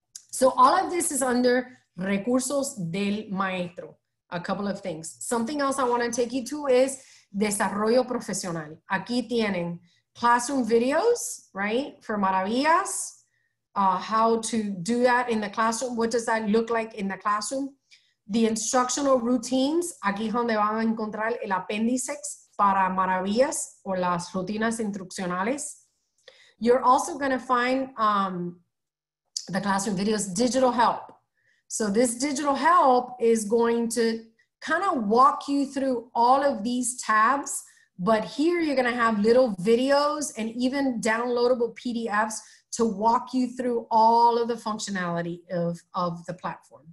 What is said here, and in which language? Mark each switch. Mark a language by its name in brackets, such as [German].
[English] So all of this is under Recursos del Maestro. A couple of things. Something else I want to take you to is Desarrollo Profesional. [Spanish] Aquí tienen [English] classroom videos, right, for Maravillas. How to do that in the classroom. What does that look like in the classroom? The instructional routines. [Spanish] Aquí es donde van a encontrar el apéndice para Maravillas o las rutinas instruccionales. [English] You're also going to find the classroom videos, digital help. So this digital help is going to kind of walk you through all of these tabs, but here you're going to have little videos and even downloadable PDFs to walk you through all of the functionality of the platform.